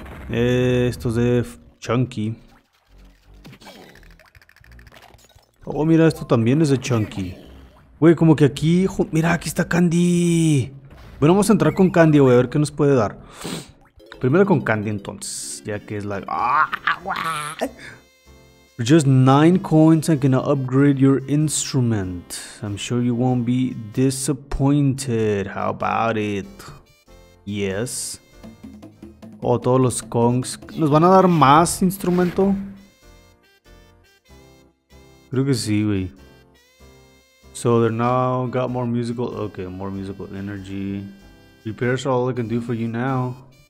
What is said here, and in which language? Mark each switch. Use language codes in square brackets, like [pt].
[es] Esto es de Chunky. Oh, mira, esto también es de Chunky. Güey, como que aquí... mira, aquí está Candy. Bueno, vamos a entrar con Candy, güey, a ver qué nos puede dar. Primero con Candy, entonces. Ya que es la... [en] Just 9 coins and can upgrade your instrument. I'm sure you won't be disappointed. How about it? Yes. Oh, [es] todos los Kongs. ¿Nos van a dar más instrumento? Creo que sí, güey. [en] So they're now got more musical. Okay, more musical energy. Repairs are all I can do for you now.